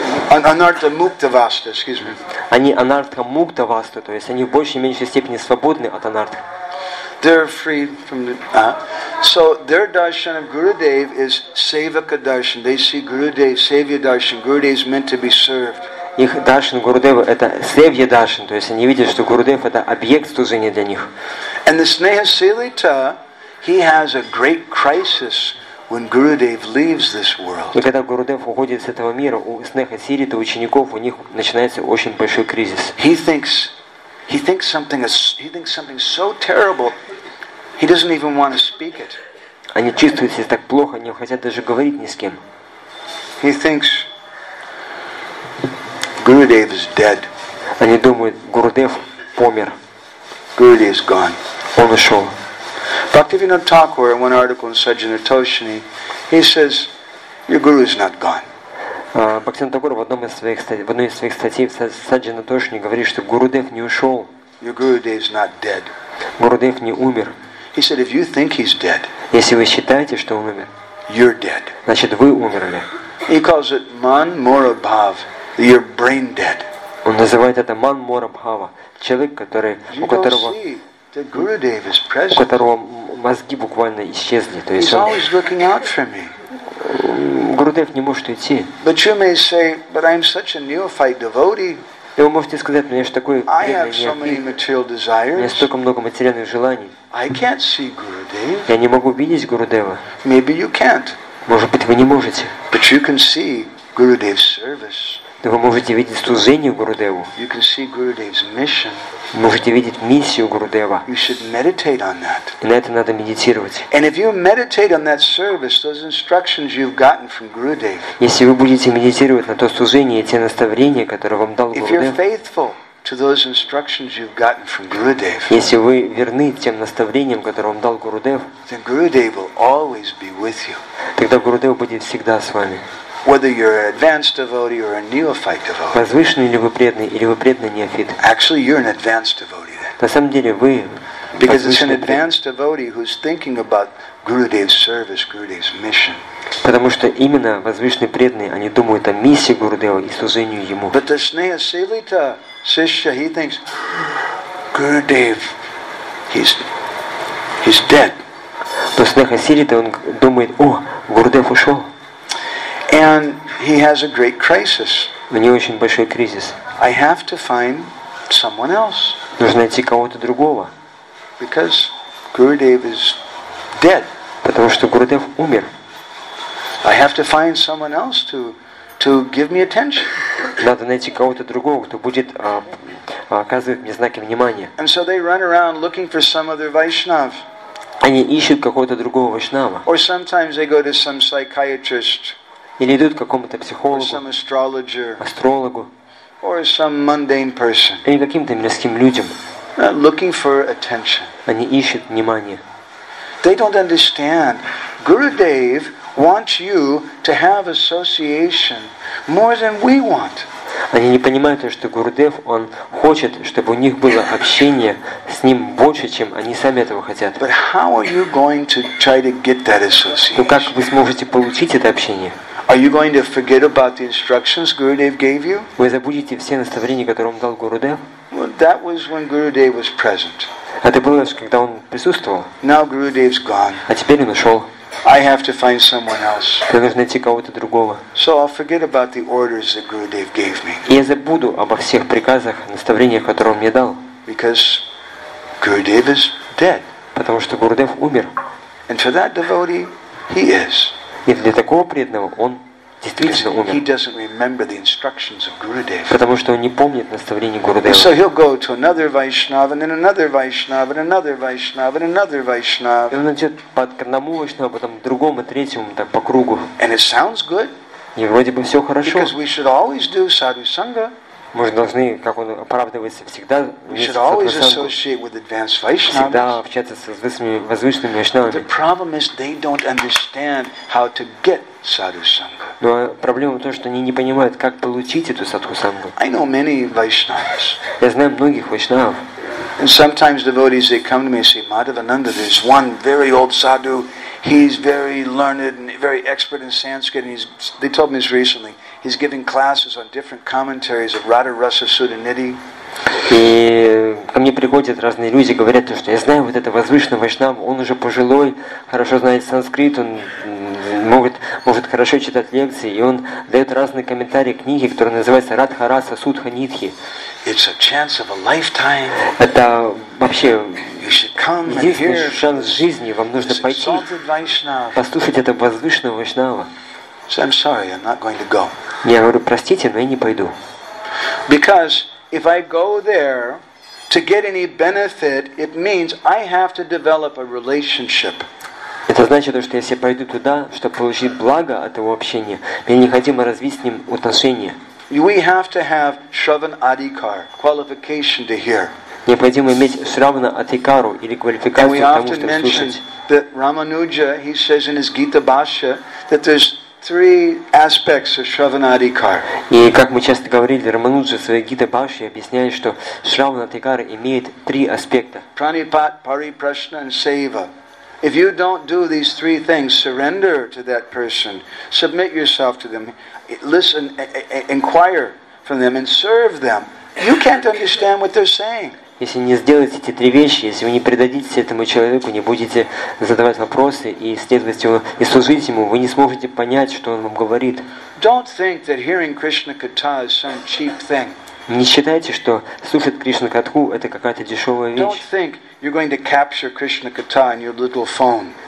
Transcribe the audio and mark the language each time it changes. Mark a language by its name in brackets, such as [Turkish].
[Russian] Они анартха мукта васта, то есть они в большей или меньшей степени свободны от анартха. [English] They're free from the. So their darshan of Gurudev is sevaka darshan. They see Gurudev, sevya darshan. Gurudev is meant to be served. [Russian] Их даршан Гурудева это севья даршан, то есть они видят, что Гурудев это объект служения для них. [English] And the Sneha Silita, he has a great crisis. When Gurudev leaves this world, [Russian] и когда Гурудев уходит с этого мира, у Снеха Сирита, учеников, у них начинается очень большой кризис. [English] He thinks something so terrible. He doesn't even want to speak it. [Russian] Они чувствуют себя так плохо, они не хотят даже говорить ни с кем. [English] He thinks Gurudev is dead. [Russian] Они думают, Гурудев помер. [English] Gurudev is gone. [Russian] Он ушел. [English] Bhaktivinoda Thakur, in one article in Sajjana Toshini, he says, your guru is not gone. [Russian] Bhaktivinoda Thakur в одной из своих статей в Sajjana Toshini говорит, что Гурудев не ушел. [English] Your Gurudev is not dead. [Russian] Гурудев не умер. [English] He said, if you think he's dead, [Russian] если вы считаете, что он умер, [English] you're dead. [Russian] Значит, вы умерли. [English] He calls it man mora bhav, you're brain dead. [Russian] Он называет это man mora bhava, человек, который, [English] you [Russian] у которого... [English] The Gurudev is present. [Russian] У которого мозги буквально исчезли. То есть [English] he's always looking out for me. [Russian] Гурудев не может уйти. [English] But you may say, but I'm such a neophyte devotee. [Russian] И вы можете сказать, мне что такое? [English] I have so many material desires. [Russian] У меня столько много материальных желаний. [English] I can't see Gurudev. [Russian] Я не могу видеть Гурудева. [English] Maybe you can't. [Russian] Может быть, вы не можете. [English] But you can see Gurudev's service. [Russian] Но вы можете видеть служение Гурудеву. [English] You can see Gurudev's mission. [Russian] Можете видеть миссию Гурудева. [English] You should meditate on that. [Russian] И на это надо медитировать. [English] And if you meditate on that service, those instructions you've gotten from Gurudev. [Russian] Если вы будете медитировать на то служение, те наставления, которые вам дал Гурудев. [English] If you're faithful to those instructions you've gotten from Gurudev. [Russian] Если вы верны тем наставлениям, которые вам дал Гурудев. [English] Then Gurudev will always be with you. [Russian] Тогда Гурудев будет всегда с вами. [English] Whether you're an advanced devotee or a neophyte devotee. [Russian] Возвышенный ли вы преданный или вы преданный неофит? [English] Actually, you're an advanced devotee. [Russian] На самом деле вы. [English] Because it's an advanced devotee who's thinking about Gurudev's service, Gurudev's mission. [Russian] Потому что именно возвышенные преданные, они думают о миссии Гурудева и служению ему. [English] But the Sneha Silita Sishya, he thinks Gurudev, he's dead. [Russian] Но Sneha Silita, он думает, о, Гурудев ушел. [English] And he has a great crisis. [Russian] У него очень большой кризис. [English] I have to find someone else. [Russian] Нужно найти кого-то другого. [English] Because Gurudev is dead. [Russian] Потому что Гурудев умер. [English] I have to find someone else to give me attention. [Russian] Надо найти кого-то другого, кто будет оказывать мне знаки внимания. [English] And so they run around looking for some other Vaishnav. [Russian] Они ищут какого-то другого Вайшнава. [English] Or sometimes they go to some psychiatrist. [Russian] Или идут к какому-то психологу, астрологу, или каким-то мирским людям. [English] Looking for attention. [Russian] Они ищут внимание. [English] They don't understand. Gurudev wants you to have association more than we want. [Russian] Они не понимают, что Гурудев, он хочет, чтобы у них было общение с ним больше, чем они сами этого хотят. [English] But how are you going to try to get that association? [Russian] Ну как вы сможете получить это общение? [English] Are you going to forget about the instructions Gurudev gave you? [Russian] Вы забудете все наставления, которые он дал Гурудев? [English] Well, that was when Gurudev was present. [Russian] Это было, когда он присутствовал. [English] Now Gurudev's gone. [Russian] А теперь он ушел. [English] I have to find someone else. [Russian] Мне нужно найти кого-то другого. [English] So I'll forget about the orders that Gurudev gave me. [Russian] Я забуду обо всех приказах, наставлениях, которые он мне дал. [English] Because Gurudev is dead. [Russian] Потому что Гурудев умер. [English] And for that devotee, he is. [Russian] И для такого преданного он действительно умер. [English] He doesn't remember the instructions of Gurudev. [Russian] Потому что он не помнит наставления Гурудева. [English] So he'll go to another Vaishnava, and another Vaishnava, and another Vaishnava, and another Vaishnava. [Russian] И он идет по одному Вайшнаву, потом другому, третьему, так по кругу. [English] And it sounds good. [Russian] И вроде бы все хорошо. [English] Because we should always do sadhu sangha. [Russian] Мы же должны, как он оправдывается, всегда всегда общаться с возвышенными вайшнавами. [English] The problem is they don't understand how to get sadhu sangha. [Russian] Но проблема в том, что они не понимают, как получить эту садху сангу. [English] I know many vaishnavas. [Russian] Я знаю многих вайшнавов. [English] And sometimes devotees they come to me and say, Madhavananda, there's one very old sadhu. He's very learned and very expert in Sanskrit. And they told me this recently. He's giving classes on different commentaries of Radha Rasa Sutta Nidhi. [Russian] И ко мне приходят разные люди, говорят, что я знаю вот этого возвышенного вайшнава, он уже пожилой, хорошо знает санскрит, он может хорошо читать лекции, и он дает разные комментарии книги, которая называется Радха Раса Сутха Нидхи. [English] It's a chance of a lifetime. [Russian] Это вообще [English] you should come and hear [Russian] единственный шанс жизни. Вам нужно пойти послушать этого возвышенного вайшнава. [English] So I'm sorry, I'm not going to go. [Russian] Я говорю, простите, но я не пойду. [English] Because if I go there to get any benefit, it means I have to develop a relationship. [Russian] Это значит, что если я пойду туда, чтобы получить благо от этого общения, мне необходимо развить с ним отношения. [English] We have to have shravan adhikar, qualification to hear. [Russian] Необходимо иметь shravana adhikaru или квалификацию к тому, чтобы слушать. [English] And we often mention that Ramanuja, he says in his Gita Bhashya, that there's three aspects of Shravanadikar. [Russian] И как мы часто говорили, Рамануджа в своей Гита Бхаше объясняет, что Шравнадикар имеет три аспекта. [English] Pranipat, Pariprasna and Seva. If you don't do these three things, surrender to that person, submit yourself to them, listen, inquire from them and serve them, you can't understand what they're saying. [Russian] Если не сделаете эти три вещи, если вы не предадитесь этому человеку, не будете задавать вопросы и следовать ему, и служить ему, вы не сможете понять, что он вам говорит. [English] Don't think that hearing Krishna Katha is some cheap thing. [Russian] Не считайте, что слушать Кришна Катху это какая-то дешевая вещь. [English] Don't think you're going to capture Krishna Katha in your little phone.